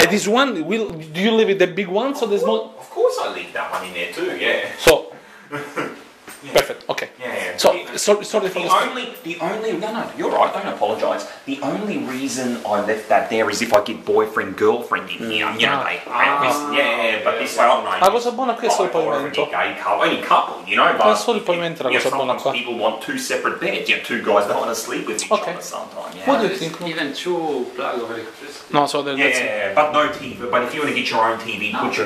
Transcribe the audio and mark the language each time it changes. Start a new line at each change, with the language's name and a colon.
English: And this one, do you leave it the big one, so there's no... Of course I leave that one in there too, yeah. So, perfect, okay. Yeah, yeah. The only, you're right, don't apologize. The only reason I left that there is if I get boyfriend, girlfriend in here. But this way, I'm not.
Italian: La cosa buona qui è solo il pavimento.
English: Only couple, you know, but.
Italian: È solo il pavimento la cosa buona qua.
English: People want two separate beds, you know, two guys that want to sleep with each other sometime. What do you think? Even two plug over electricity. No, so there's. Yeah, but no TV. But if you want to get your own TV, put your.